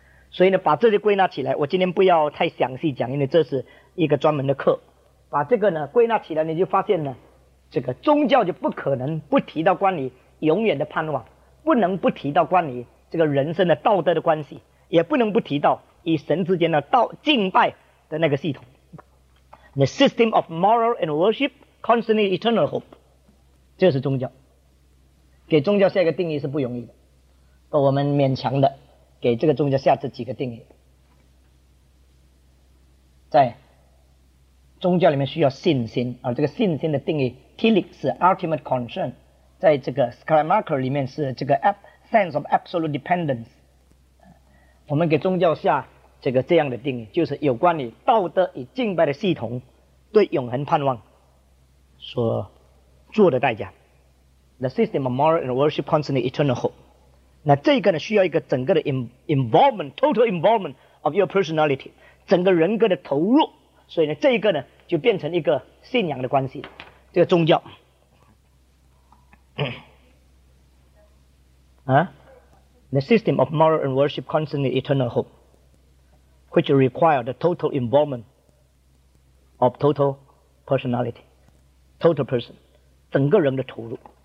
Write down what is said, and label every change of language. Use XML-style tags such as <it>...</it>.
<zh>所以呢，把这些归纳起来，我今天不要太详细讲，因为这是一个专门的课。把这个呢归纳起来，你就发现呢，这个宗教就不可能不提到关于永远的盼望，不能不提到关于这个人生的道德的关系，也不能不提到与神之间的道敬拜的那个系统。</zh> <en>The system of moral and worship, constantly eternal hope.</en> <zh>这是宗教。给宗教下一个定义是不容易的。我们勉强的给这个宗教下这几个定义。在宗教里面需要信心，而这个信心的定义 ,Tillich 是 ultimate concern, 在这个 Schleiermacher 里面是这个</zh> <en>sense of absolute dependence。</en> <zh>我们给宗教下这个这样的定义，就是有关于道德与敬拜的系统对永恒盼望所做的代价。</zh> <en>The system of moral and worship constantly eternal hope.</en> <zh>那这个呢，需要一个整个的 involvement,</zh> <en>total involvement of your personality,</en> <zh>整个人格的投入。所以呢，这个呢就变成一个信仰的关系，这个宗教。</zh> <en>The system of moral and worship constantly eternal hope, which require the total involvement of total personality, total person,</en> <zh>整个人的投入。</zh>